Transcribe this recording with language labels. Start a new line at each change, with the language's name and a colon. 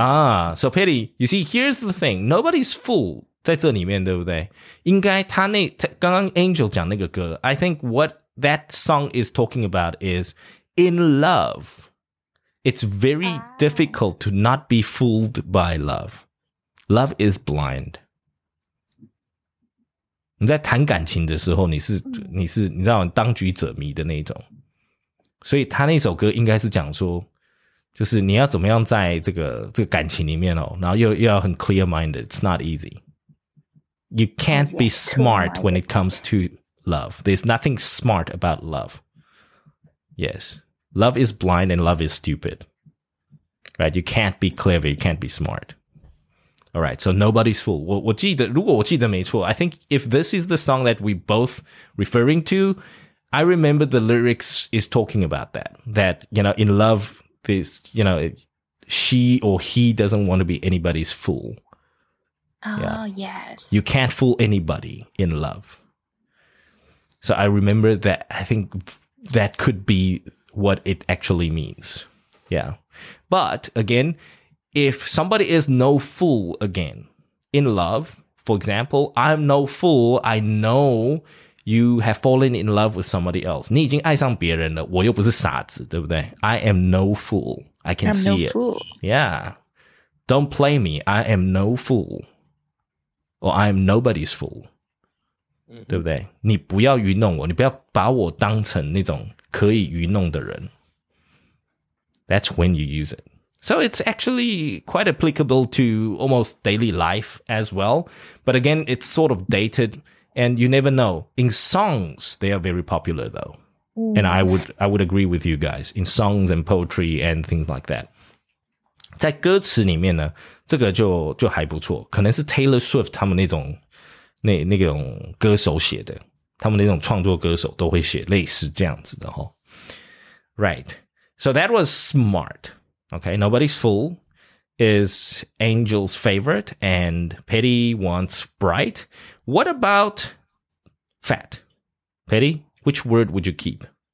English: Ah, so Patty, you see, here's the thing. Nobody's fool.
Chinese: 在这里面对不对应该他那他刚刚 Angel 讲那个歌
English: I think what that song is talking about is in love, it's very difficult to not be fooled by love. Love is blind.
Chinese: 你在谈感情的时候你是你知道当局者迷的那种。所以他那首歌应该是讲说就是你要怎么样在这个感情里面哦然后又要很
English: clear minded, it's not easy. You can't be smart when it comes to love. There's nothing smart about love. Yes. Love is blind and love is stupid. Right? You can't be clever. You can't be smart. All right. So nobody's fool.
Chinese: 我记得如果我记得没错
English: I think if this is the song that we're both referring to, I remember the lyrics is talking about that. That, you know, in love, there's, you know, she or he doesn't want to be anybody's fool. Yeah. Oh, yes. You can't fool anybody in love. So I remember that. I think that could be what it actually means. Yeah. But again, if somebody is no fool again in love, for example, I'm no fool. I know you have fallen in love with somebody else.
Chinese: 你已经爱上别人了我又不是傻子对不对
English: I am no fool. I can、 I'm、 see no it. Fool. Yeah. Don't play me. I am no fool. Or I'm nobody's fool.、Mm-hmm.
Chinese: 对不对你不要愚弄我你不要把我当成那种可以愚弄的人。
English: That's when you use it. So it's actually quite applicable to almost daily life as well. But again, it's sort of dated. And you never know. In songs, they are very popular though.、Mm. And I would agree with you guys. In songs and poetry and things like that.
Chinese: 在歌词里面呢这个就还不错可能是 Taylor Swift 他们那种歌手写的他们那种创作歌手都会写类似这样子的、哦、
English: Right, so that was smart. Okay, Nobody's Fool is Angel's favorite and Petty wants bright. What about fat? Petty, which word would you keep?